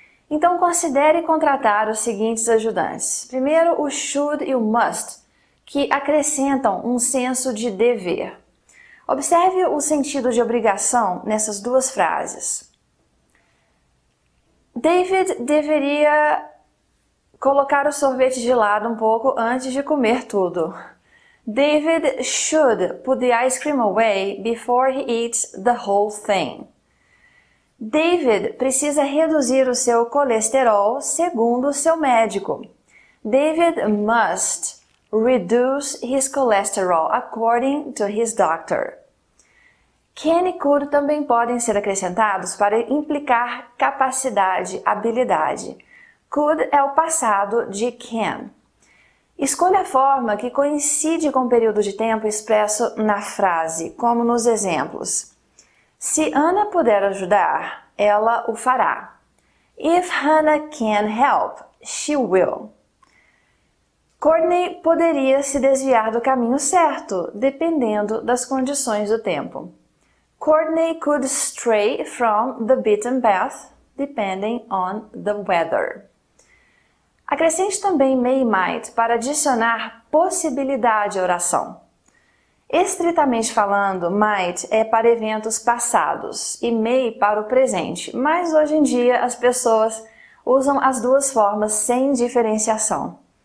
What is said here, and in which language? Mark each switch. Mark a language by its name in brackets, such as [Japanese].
[Portuguese] Então, considere contratar os seguintes ajudantes. Primeiro, o should e o must, que acrescentam um senso de dever. Observe o sentido de obrigação nessas duas frases. David deveria colocar o sorvete de lado um pouco antes de comer tudo. [English] David should put the ice cream away before he eats the whole thing. [Portuguese] David precisa reduzir o seu colesterol segundo o seu médico. [English] David must reduce his cholesterol according to his doctor. [Portuguese] Can e could também podem ser acrescentados para implicar capacidade, habilidade. Could é o passado de can. Escolha a forma que coincide com o período de tempo expresso na frase, como nos exemplos. Se Ana puder ajudar, ela o fará. [English] If Hannah can help, she will. [Portuguese] Courtney poderia se desviar do caminho certo, dependendo das condições do tempo. [English] Courtney could stray from the beaten path, depending on the weather. [Portuguese] Acrescente também may e might para adicionar possibilidade à oração. Estritamente falando, might é para eventos passados e may para o presente, mas hoje em dia as pessoas usam as duas formas sem diferenciação.